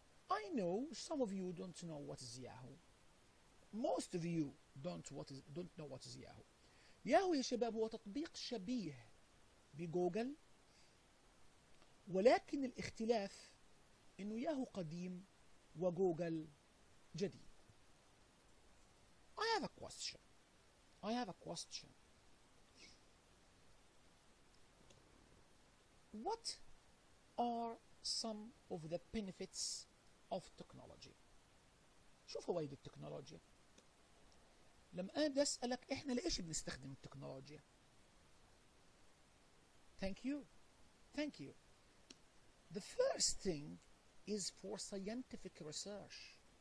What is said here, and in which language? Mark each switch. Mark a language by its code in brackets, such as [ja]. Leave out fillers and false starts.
[en] I know some of you don't know what is Yahoo. Most of you don't know what is Yahoo. [ar] Yahoo يا شباب هو تطبيق شبيه بجوجل، ولكن الاختلاف انه ياهو قديم وجوجل جديد. [en] I have a question. What are some of the benefits of technology? [ar] شو فوائد التكنولوجيا؟ لما أنا بدي أسألك إحنا لإيش بنستخدم التكنولوجيا؟ [en] Thank you. The first thing is for scientific research.